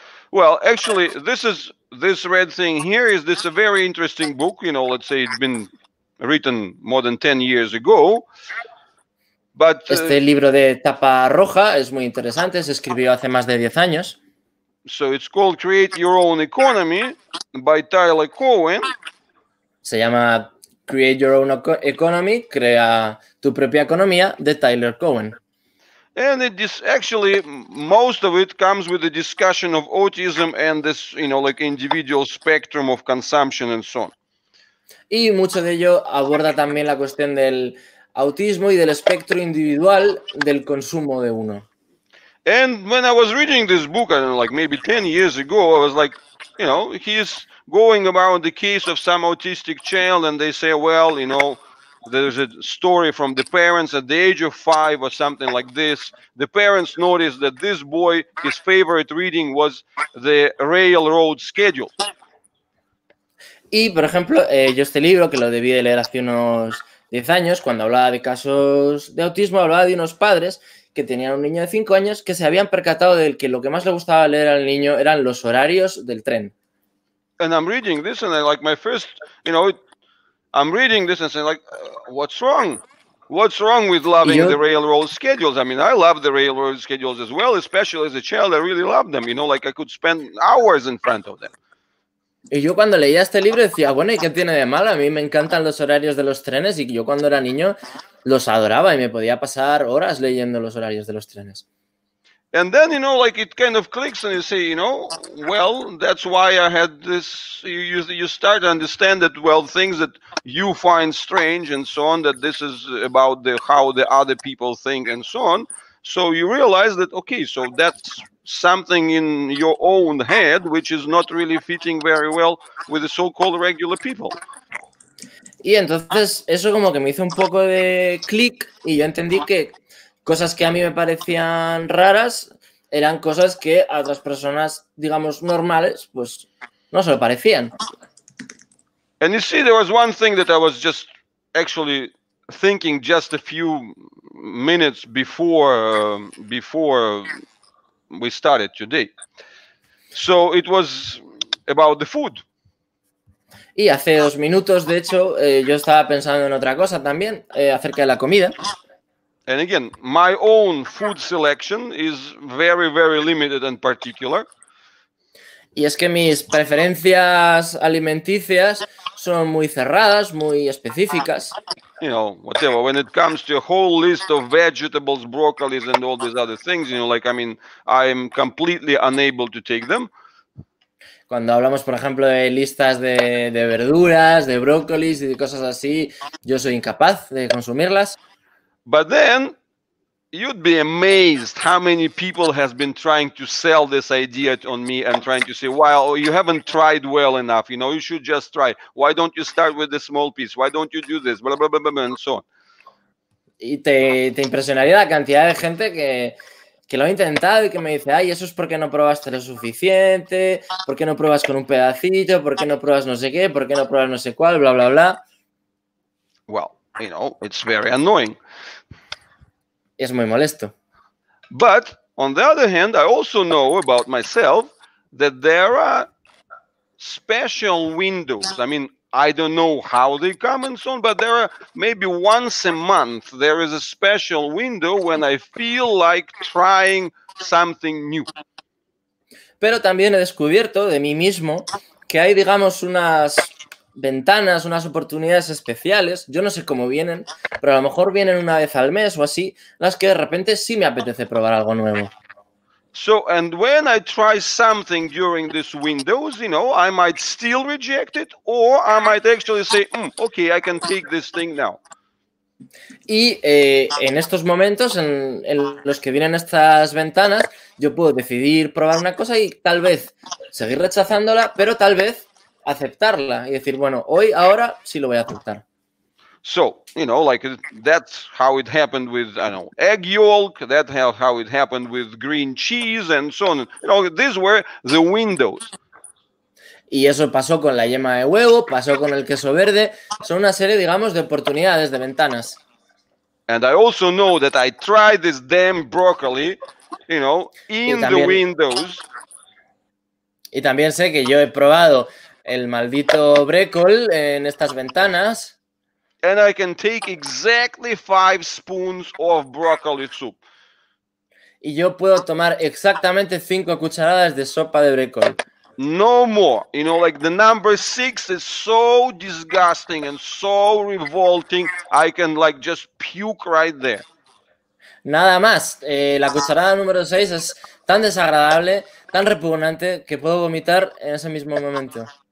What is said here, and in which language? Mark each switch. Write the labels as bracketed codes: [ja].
[en] Well, actually, this red thing here is this a very interesting book, you know, let's say it's been written more than 10 years ago, but [es] este libro de tapa roja es muy interesante, se escribió hace más de 10 años. [en] So it's called Create Your Own Economy by Tyler Cowen. [es] Se llama Create Your Own Economy, crea tu propia economía, de Tyler Cowen. [en] And it is actually most of it comes with the discussion of autism and this, you know, like individual spectrum of consumption and so on. [es] Y mucho de ello aborda también la cuestión del autismo y del espectro individual del consumo de uno. [en] And when I was reading this book, I don't know, like maybe 10 years ago, I was like, you know, he's going about the case of some autistic child and they say, well, you know, there's a story from the parents at the age of 5 or something like this. The parents noticed that this boy, his favorite reading was the railroad schedule. [es] Y, por ejemplo, yo este libro, que lo debí de leer hace unos 10 años, cuando hablaba de casos de autismo, hablaba de unos padres que tenían un niño de 5 años que se habían percatado de que lo que más le gustaba leer al niño eran los horarios del tren. [en] And I'm reading this and I like my first, you know, I'm reading this and saying, like, what's wrong? What's wrong with loving the railroad schedules? I mean, I love the railroad schedules as well, especially as a child. I really love them, you know, like I could spend hours in front of them. [es] Y yo cuando leía este libro decía, bueno, ¿y qué tiene de mal? A mí me encantan los horarios de los trenes y yo cuando era niño los adoraba y me podía pasar horas leyendo los horarios de los trenes. [en] And then, you know, like it kind of clicks and you say, you know, well, that's why I had this, you start to understand that, well, things that you find strange and so on, that this is about the how the other people think and so on. So you realize that, okay, so that's something in your own head, which is not really fitting very well with the so-called regular people. [es] Y entonces eso como que me hizo un poco de click y yo entendí que cosas que a mí me parecían raras eran cosas que a otras personas, digamos, normales, pues no se lo parecían. [en] And you see, there was one thing that I was just actually thinking just a few minutes before before we started today. So it was about the food. [es] Y hace dos minutos, de hecho, yo estaba pensando en otra cosa también, acerca de la comida. [en] And again, my own food selection is very, very limited and particular. [es] Y es que mis preferencias alimenticias son muy cerradas, muy específicas. [en] You know, whatever, when it comes to a whole list of vegetables, broccolis and all these other things, you know, like, I mean, I'm completely unable to take them. [es] Cuando hablamos, por ejemplo, de listas de verduras, de brócolis y de cosas así, yo soy incapaz de consumirlas. [en] But then, you'd be amazed how many people has been trying to sell this idea on me and trying to say, well, you haven't tried well enough, you know, you should just try. Why don't you start with the small piece? Why don't you do this? Blah, blah, blah, blah, blah, and so on. [es] Y te impresionaría la cantidad de gente que lo ha intentado y que me dice, ay, eso es porque no probaste lo suficiente, porque no pruebas con un pedacito, porque no pruebas no sé qué, porque no pruebas no sé cuál, bla, bla, bla. [en] Well, you know, it's very annoying. [es] Es muy molesto. [en] But, on the other hand, I also know about myself that there are special windows. I mean, I don't know how they come and so on, but there are maybe once a month there is a special window when I feel like trying something new. [es] Pero también he descubierto de mí mismo que hay, digamos, unas ventanas, unas oportunidades especiales, yo no sé cómo vienen, pero a lo mejor vienen una vez al mes o así, las que de repente sí me apetece probar algo nuevo. [en] So, and when I try something during this windows, you know, I might still reject it, or I might actually say, okay, I can take this thing now. [es] Y en estos momentos, en los que vienen estas ventanas, yo puedo decidir probar una cosa y tal vez seguir rechazándola, pero tal vez aceptarla y decir, bueno, hoy, ahora, sí lo voy a aceptar. [en] So, you know, like, that's how it happened with, I don't know, egg yolk, that's how it happened with green cheese and so on. You know, these were the windows. [es] Y eso pasó con la yema de huevo, pasó con el queso verde. Son una serie, digamos, de oportunidades, de ventanas. [en] And I also know that I tried this damn broccoli, you know, in the windows. [es] Y también sé que yo he probado el maldito brécol en estas ventanas. [en] And I can take exactly 5 spoons of broccoli soup. [es] Y yo puedo tomar exactamente 5 cucharadas de sopa de brécol. [en] No more. You know, like the number 6 is so disgusting and so revolting, I can like just puke right there. [es] Nada más. La cucharada número 6 es tan desagradable, tan repugnante, que puedo vomitar en ese mismo momento.